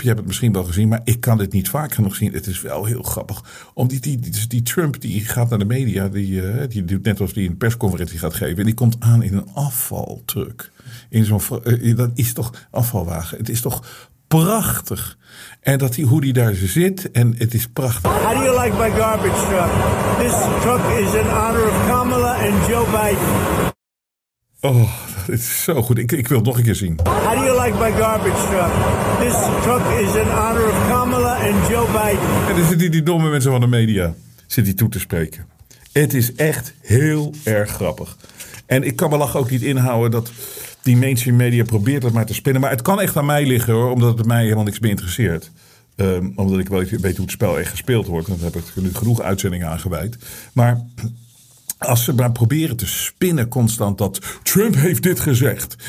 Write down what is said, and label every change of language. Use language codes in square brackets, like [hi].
[nl] Je hebt het misschien wel gezien, maar ik kan dit niet vaak genoeg zien. Het is wel heel grappig. Omdat die Trump die gaat naar de media, die doet net alsof die een persconferentie gaat geven. En die komt aan in een afvaltruck. In zo'n, dat is toch afvalwagen. Het is toch prachtig. En dat hoe die daar zit, en het is prachtig. [en] How do you like my garbage truck? This truck is in honor of Kamala and Joe Biden. [nl] Oh, dat is zo goed. Ik wil het nog een keer zien. [en] How do you like my garbage truck? This truck is in honor of Kamala and Joe Biden. [nl] En dan zit die domme mensen van de media, zit die toe te spreken. Het is echt heel erg grappig. En ik kan me lachen ook niet inhouden dat die mainstream media probeert dat maar te spinnen. Maar het kan echt aan mij liggen hoor, omdat het mij helemaal niks meer interesseert. Omdat ik wel weet hoe het spel echt gespeeld wordt. Dan heb ik nu genoeg uitzendingen aangeweid. Maar als ze maar proberen te spinnen constant dat Trump heeft dit gezegd.